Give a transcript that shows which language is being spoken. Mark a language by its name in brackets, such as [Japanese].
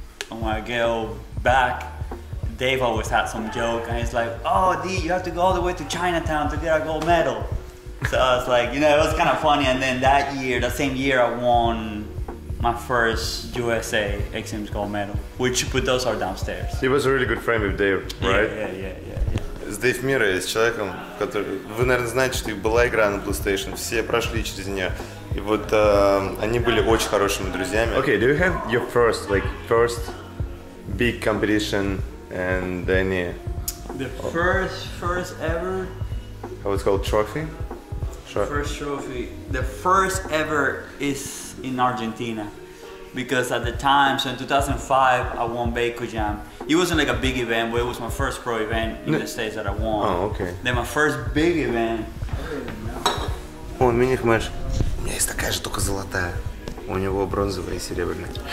[English] And when I go back, Dave always had some joke, and he's like, oh, D, you have to go all the way to Chinatown to get a gold medal. So I was like, you know, it was kind of funny. And then that year, the same year, I won my first USA X Games gold medal, which put those are downstairs. He was a really good friend with Dave, right? Yeah. [Russian] с Дэйв Миррей, с человеком, который... Вы, наверное, знаете, что их была игра на PlayStation, все прошли через нее. И вот они были очень хорошими друзьями. [English] Okay, do you have your first, like, first big competition and any... The first ever... How it's called? Trophy? First trophy. The first ever is in Argentina. Because at the time, so in 2005, I won Baku Jam. It wasn't like a big event, but it was my first pro event in the States that I won. Oh, okay. Then my first big event. [Russian] О, мини-хмеш. У меня есть такая же, только золотая. У него бронзовая и серебряная.